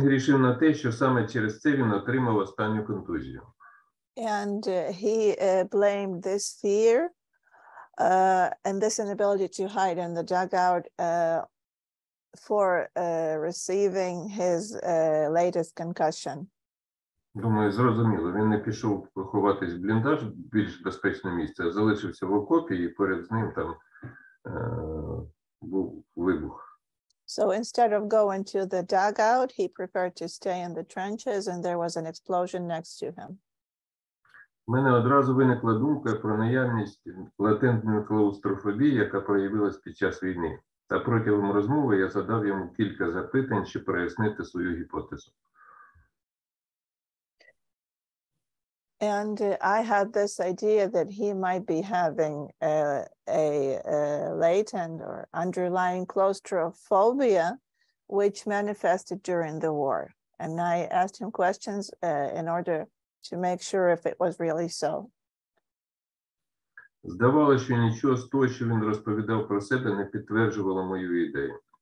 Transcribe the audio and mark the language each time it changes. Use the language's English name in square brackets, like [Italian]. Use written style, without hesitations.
[Ukrainian] Він грішив на те, що саме через це він отримав останню контузію. [English] And he blamed this fear. And this inability to hide in the dugout for receiving his latest concussion. [Ukrainian] Думаю, зрозуміло. Він не пішов ховатись в бліндаж, більш безпечне місце, а залишився в окопі, і поряд з ним там був вибух. [English] So instead of going to the dugout, he preferred to stay in the trenches, and there was an explosion next to him. [Ukrainian] У мене одразу виникла думка про наявність латентної клаустрофобії, яка проявилась під час війни. Та протягом розмови я задав йому кілька запитань, щоб прояснити свою гіпотезу. [English] And I had this idea that he might be having a latent or underlying claustrophobia, which manifested during the war. And I asked him questions in order to make sure if it was really so. [Ukrainian] Здавалося, що нічого з того, що він розповідав про себе, не підтверджувало мою ідею.